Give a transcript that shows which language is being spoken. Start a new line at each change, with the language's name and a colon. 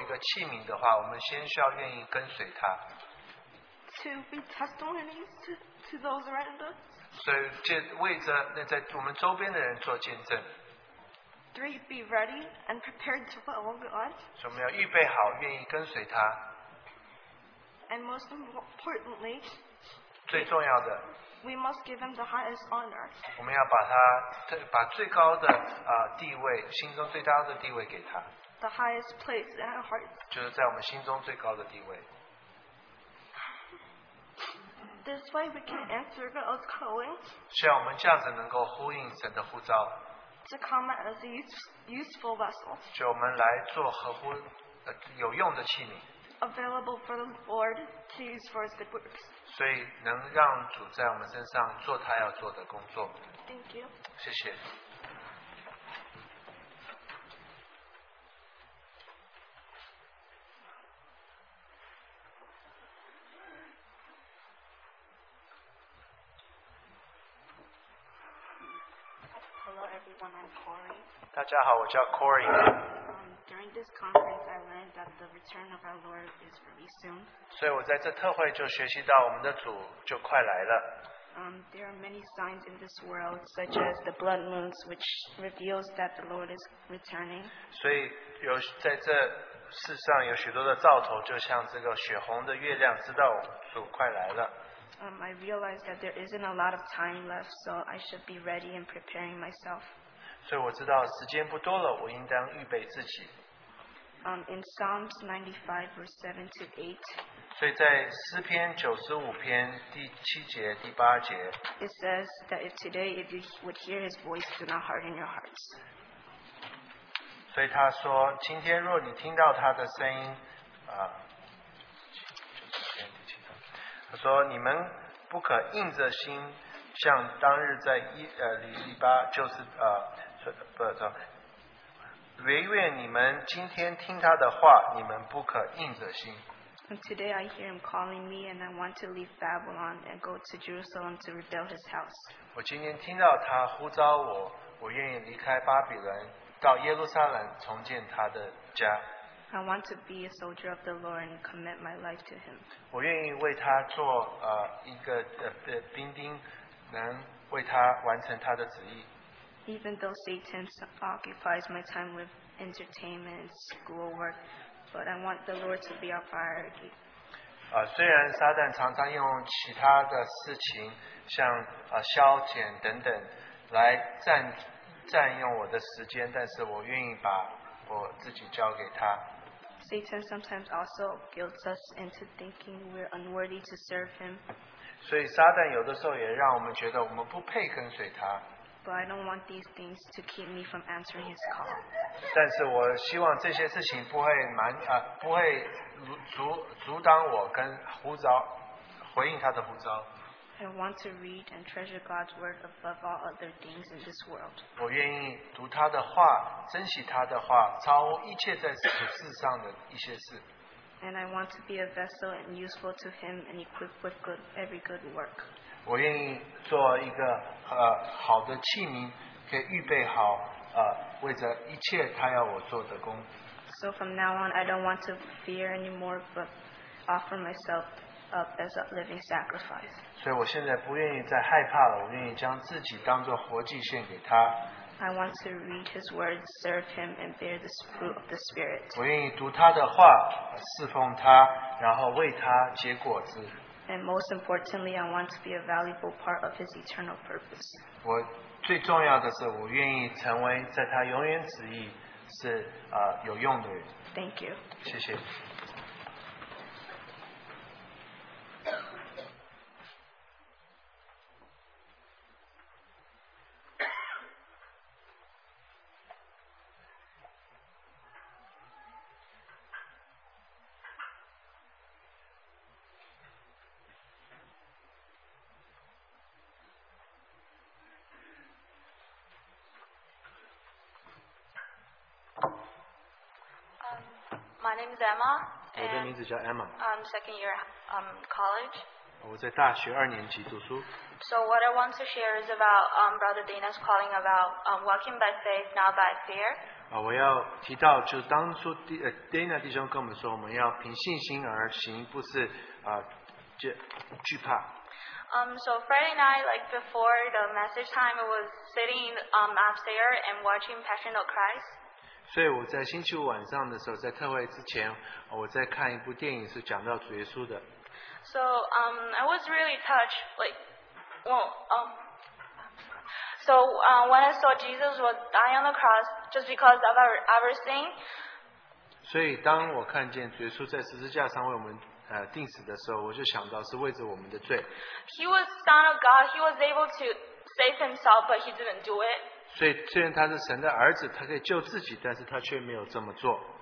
Chinese: 所以我学习到，我们如果要愿意为他做一个器皿的话，我们先需要愿意跟随他。
English: To be testimonies to those around us.
Chinese: 所以为着那在我们周边的人做见证。
English: Three, be ready and prepared to follow God.
Chinese: 所以我们要预备好，愿意跟随他。
English: And most importantly,
Chinese: 最重要的,
English: we must give him the highest honor.
Chinese: 我们要把最高的地位，心中最大的地位给他。
English: The highest place in our hearts.
Chinese: 就是在我们心中最高的地位。
English: This way we can answer God's calling.
Chinese: 像我们这样子能够呼应神的呼召。
English: To come as a useful vessel.
Chinese: 就我们来做合乎有用的器皿。
English: Available for the Lord to use for His good works.
Chinese: 所以能让主在我们身上做他要做的工作。
English: Thank you.
Chinese: 谢谢。大家好，我叫Corey。
English: During this conference, I learned that the return of our Lord is very soon.
Chinese: 所以我在这特会就学习到我们的主就快来了。
English: There are many signs in this world, such as the blood moons, which reveals that the Lord is returning.
Chinese: 所以有在这世上有许多的兆头，就像这个血红的月亮，知道主快来了。
English: I realize that there isn't a lot of time left, so I should be ready and preparing myself.
Chinese: 所以我知道时间不多了，我应当预备自己。
English: In Psalms 95, verse 7 to 8.
Chinese: 所以在诗篇95篇第7节第8节。
English: It says that if today, if you would hear His voice, do not harden your hearts.
Chinese: 所以他说，今天若你听到他的声音，他说你们不可硬着心，像当日在利巴，就是不是，唯愿你们今天听他的话，你们不可硬着心。
English: And today I hear him calling me, and I want to leave Babylon and go to Jerusalem to rebuild his house.
Chinese: 我今天听到他呼召我，我愿意离开巴比伦，到耶路撒冷重建他的家。
English: I want to be a soldier of the Lord and commit my life to him.
Chinese: 我愿意为他做一个兵丁，能为他完成他的旨意。
English: Even though Satan occupies my time with entertainment and schoolwork, but I want the Lord to be our priority.
Chinese: 虽然撒旦常常用其他的事情，像消遣等等，来占用我的时间，但是我愿意把我自己交给他。
English: Satan sometimes also guilts us into thinking we're unworthy to serve him.
Chinese: 所以撒旦有的时候也让我们觉得我们不配跟随他。
English: But I don't want these things to keep me from answering his call.
Chinese: 但是我希望这些事情不会阻挡我跟呼召，回应他的呼召。
English: I want to read and treasure God's word above all other things in this world.
Chinese: 我愿意读他的话，珍惜他的话，超乎一切在世上的一些事。
English: And I want to be a vessel and useful to him and equipped with every good work.
Chinese: 我愿意做一个好的器皿，可以预备好为着一切他要我做的工。
English: So from now on, I don't want to fear anymore, but offer myself up as a living sacrifice.
Chinese: 所以我现在不愿意再害怕了，我愿意将自己当作活祭献给他。
English: I want to read his word, serve him, and bear the fruit of the Spirit.
Chinese: 我愿意读他的话，侍奉他，然后为他结果子。
English: And most importantly, I want to be a valuable part of his eternal purpose.
Chinese: 我最重要的是，我愿意成为在他永远旨意是有用的人。
English: Thank you.
Chinese: 谢谢。
English: My name is Emma.
Chinese: 我的名字叫 Emma.
English: I'm second year college.
Chinese: 我在大学二年级读书。
English: So what I want to share is about Brother Dana's calling about walking by faith, not by fear.
Chinese: 我要提到就当初 Dana 弟兄跟我们说，我们要凭信心而行，不是惧怕。
English: So Friday night, like before the message time, I was sitting upstairs and watching Passion of Christ.
Chinese: 所以我在星期五晚上的时候，在特会之前，我在看一部电影，是讲到主耶稣的。
English: So, I was really touched, when I saw Jesus was dying on the cross, just because of our sin.
Chinese: 所以当我看见主耶稣在十字架上为我们钉死的时候，我就想到是为着我们的罪。
English: He was Son of God. He was able to save himself, but he didn't do it.
Chinese: 所以虽然他是神的儿子，他可以救自己，但是他却没有这么做。